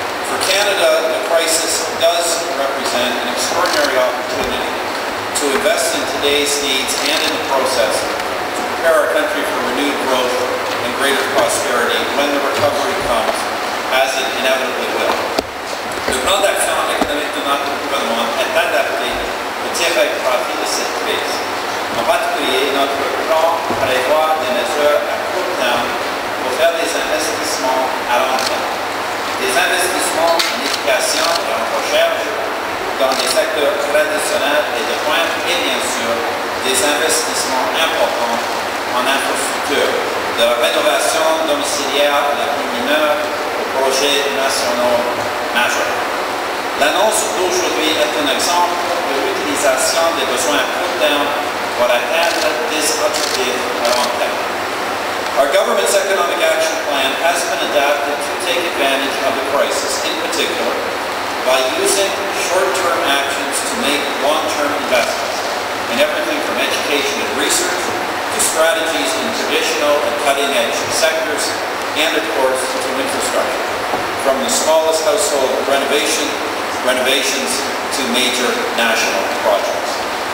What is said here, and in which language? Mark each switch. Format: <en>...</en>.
<en>For Canada, the crisis does represent an extraordinary opportunity to invest in today's needs and in the process to prepare our country for renewed growth and greater prosperity when the recovery comes, as it inevitably will.</en> <fr>Nous prenons l'action avec un étonnant gouvernement est adapté au tirage profit de cette crise. En particulier, notre plan prévoit des mesures à court terme pour faire des investissements à long terme. Des investissements en éducation et en recherche dans les secteurs traditionnels et de pointe et bien sûr des investissements importants en infrastructure, de la rénovation domiciliaire de la plus mineure aux projets nationaux majeurs. L'annonce d'aujourd'hui est un exemple de l'utilisation des besoins à court terme pour atteindre des objectifs à long terme.</fr> <en>Our government's economic action plan has been adapted to take advantage of the crisis, in particular, by using short-term actions to make long-term investments in everything from education and research to strategies in traditional and cutting-edge sectors and, of course, to infrastructure, from the smallest household renovations to major national projects.</en>